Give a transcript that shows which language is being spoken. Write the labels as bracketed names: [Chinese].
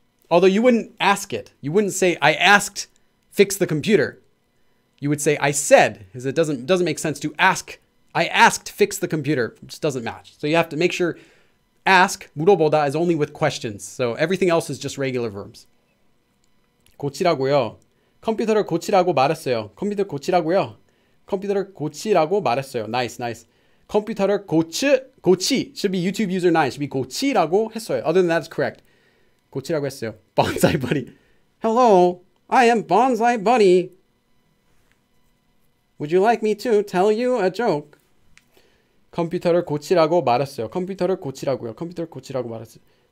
[English] Although you wouldn't ask it. You wouldn't say, I asked, fix the computer. You would say, I said, because it doesn't make sense to ask. I asked, fix the computer. It just doesn't match. So you have to make sure ask, 물어보다, is only with questions. So everything else is just regular verbs. 고치라고요. [Korean] 컴퓨터를 고치라고 말했어요. 컴퓨터 고치라고요. 컴퓨터를 고치라고 말했어요. [English] Nice, nice. [Korean] 컴퓨터를 고치. [English] Should be YouTube user 9. Should be [Korean] 고치라고 했어요. [English] Other than that, it's correct. 고치라고 했어요. Bonsai Buddy. Hello, I am Bonsai Buddy. Would you like me to tell you a joke? [Korean] 컴퓨터를 고치라고 말했어요. 컴퓨터를 고치라고요. 컴퓨터를 고치라고 말했어요.